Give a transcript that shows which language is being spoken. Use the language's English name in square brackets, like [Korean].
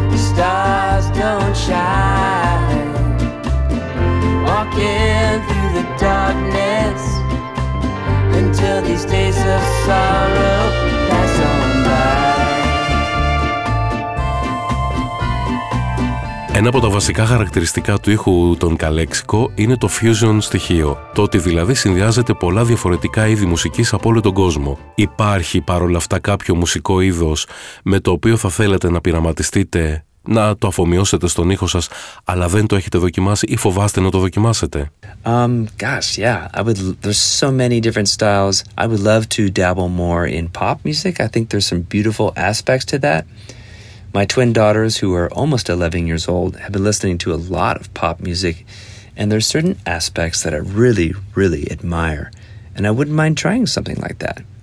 [English] Stars don't shine. Walking through the darkness until these days of sorrow pass on by. [Greek] Ένα από τα βασικά χαρακτηριστικά του ήχου των Καλέξικο είναι το fusion στοιχείο. Το ότι δηλαδή συνδυάζεται πολλά διαφορετικά είδη μουσικής από όλο τον κόσμο. Υπάρχει παρόλα αυτά κάποιο μουσικό είδος με το οποίο θα θέλετε να πειραματιστείτε, να το αφομοιώσετε στον ήχο σας, αλλά δεν το έχετε δοκιμάσει ή φοβάστε να το δοκιμάσετε? [English] There's so many different styles. I would love to dabble more in pop music. I think there's some beautiful aspects to that. My twin daughters, who are almost 11 years old, have been listening to a lot of pop music, and there's certain aspects that I really, really admire, and I wouldn't mind trying something like that.